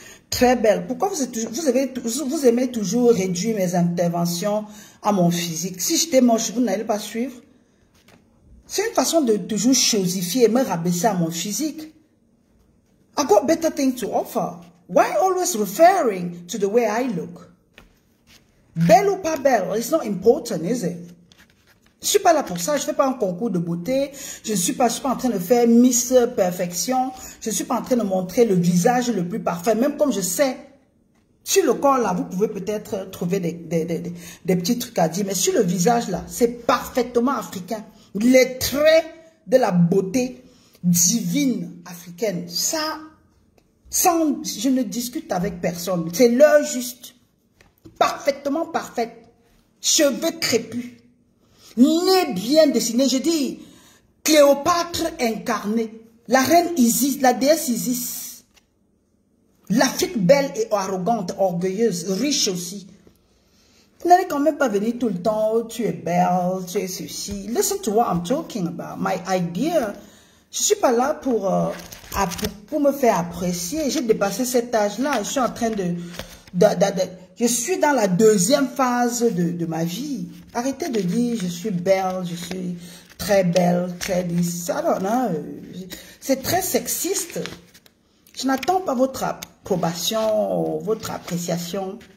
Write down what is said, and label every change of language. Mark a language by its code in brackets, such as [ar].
[fr] Très belle. Pourquoi vous aimez toujours réduire mes interventions à mon physique? Si j'étais moche, vous n'allez pas suivre. C'est une façon de toujours chosifier et me rabaisser à mon physique. [en] I got better things to offer. Why always referring to the way I look? [fr] Belle ou pas belle, [en] it's not important, is it? [fr] Je ne suis pas là pour ça, je ne fais pas un concours de beauté, je ne suis pas en train de faire Miss Perfection, je ne suis pas en train de montrer le visage le plus parfait, même comme je sais, sur le corps là, vous pouvez peut-être trouver des petits trucs à dire, mais sur le visage là, c'est parfaitement africain. Les traits de la beauté divine africaine, ça, sans, je ne discute avec personne, c'est l'heure juste, parfaitement parfaite, cheveux crépus. Née bien dessinée, je dis Cléopâtre incarnée, la reine Isis, la déesse Isis, l'Afrique belle et arrogante, orgueilleuse, riche aussi. Vous n'allez quand même pas venir tout le temps, oh, tu es belle, tu es ceci. [en] Listen to what I'm talking about, my idea. [fr] Je ne suis pas là pour me faire apprécier, j'ai dépassé cet âge-là, je suis en train de je suis dans la deuxième phase de ma vie. Arrêtez de dire je suis belle, je suis très belle, très lisse. Alors, non, c'est très sexiste. Je n'attends pas votre approbation, votre appréciation.